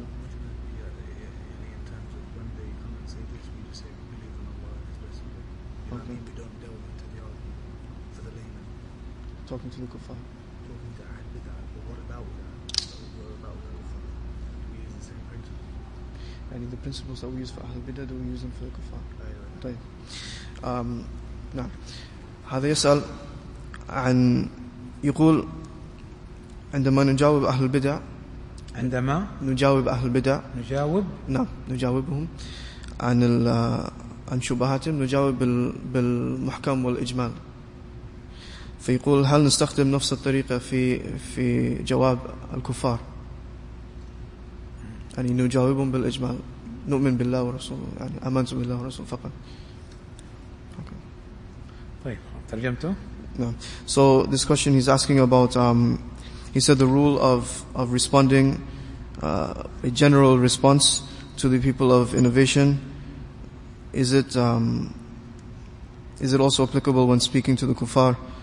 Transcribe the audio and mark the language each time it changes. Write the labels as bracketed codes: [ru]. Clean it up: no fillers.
[en] Yeah, in terms of when they come and say this, we just say we believe in Allah and His Messenger. You know what I mean? We don't delve into the argument for the layman. Talking to the kuffar. Talking to Ahl Bidah, but what about that? What about the kuffar? Do we use the same principles? Any of the principles that we use for Ahl Bidah, do we use them for the kuffar? Okay. [ar] Now, هذا يسأل عن يقول عندما نجاوب أهل البدع عندما نجاوب أهل البدع نجاوب نعم نجاوبهم عن عن شبهاتهم نجاوب بالمحكم والإجمال فيقول هل نستخدم نفس الطريقة في جواب الكفار يعني نجاوبهم بالإجمال نؤمن بالله ورسوله يعني آمنت بالله ورسوله فقط طيب ترجمته؟ [en] No. So this question he's asking about, he said the rule of responding, a general response to the people of innovation, is it also applicable when speaking to the kuffar?